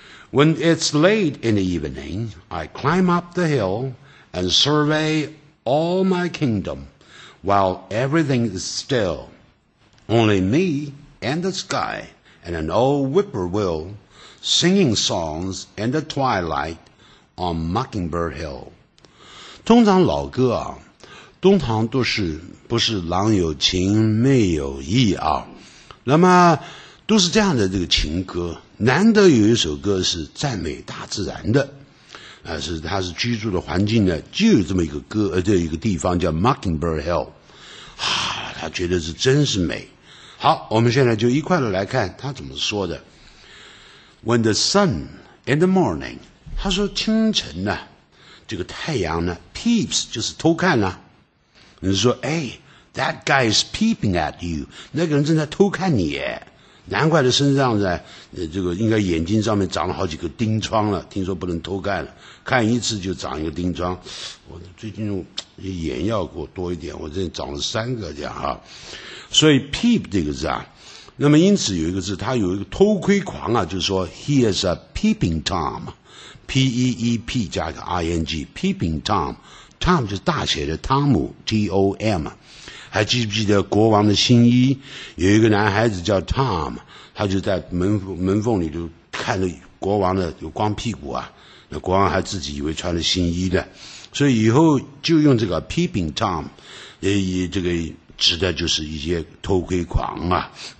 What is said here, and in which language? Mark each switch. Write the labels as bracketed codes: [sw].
[en] When it's late in the evening, I climb up the hill and survey all my kingdom while everything is still. Only me and the sky and an old whippoorwill singing songs in the twilight on Mockingbird Hill. [zh] 通常老歌啊，通常都是不是郎有情妹有意啊，那么都是这样的，这个情歌难得有一首歌是赞美大自然的，是他是居住的环境呢就有这么一个歌，这一个地方叫 Mockingbird Hill， 他觉得是真是美。好，我们现在就一块来看他怎么说的。 [en] When the sun in the morning， [zh] 他说清晨呢，这个太阳呢 peeps 就是偷看啊，你说哎 [en] that guy is peeping at you， [zh] 那个人正在偷看你耶，难怪的身上在这个应该眼睛上面长了好几个钉疮了，听说不能偷看了，看一次就长一个钉疮，我最近眼药给我多一点，我这长了三个这样啊。所以 peep 这个字啊，那么因此有一个字，他有一个偷窥狂啊，就是说 [en] he is a peeping Tom， [zh] P E E P 加个 I N G， peeping Tom， Tom 就是大写的汤姆， T O M。还记不记得国王的新衣？有一个男孩子叫 Tom， 他就在门缝里就看着国王的有光屁股啊。那国王还自己以为穿了新衣的，所以以后就用这个 peeping Tom， 也这个指的就是一些偷窥狂啊。